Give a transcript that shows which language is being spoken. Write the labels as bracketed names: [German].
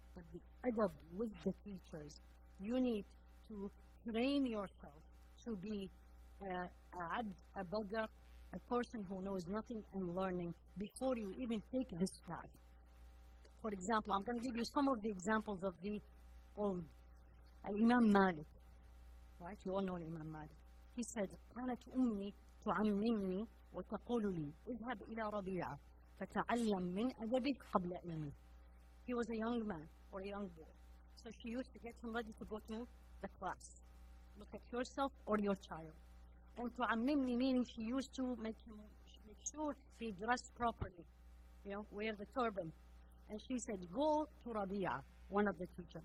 [English] But the adab with the teachers, you need to train yourself to be a bugger, a person who knows nothing and learning before you even take this path. For example, I'm going to give you some of the examples of the old Imam Malik. Right? You all know Imam Malik. He said, [Arabic] كانت أمي تعممني وتقول لي اذهب إلى ربيعة فتعلم من أدبك قبل أمي. [English] He was a young man or a young boy. So she used to get him ready to go to the class. Look at yourself or your child. And تعممني meaning she used to make sure he dressed properly. You know, wear the turban. And she said, go to ربيعة, one of the teachers.